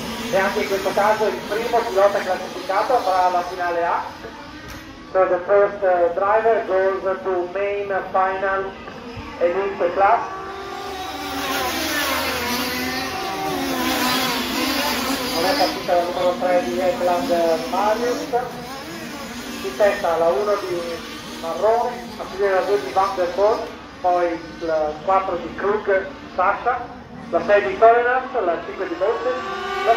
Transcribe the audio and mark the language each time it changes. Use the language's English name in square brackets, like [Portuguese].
[Italian] E anche in questo caso il primo pilota classificato farà la finale A. [English] So the first driver goes to main final elite class. [Italian] Non è partita la numero 3 di Edland Marius. Si testa la 1 di Marrone, a fine la 2 di Van der Poel, poi la 4 di Krug Sasha, la 6 di Tolerance, la 5 di Bolton.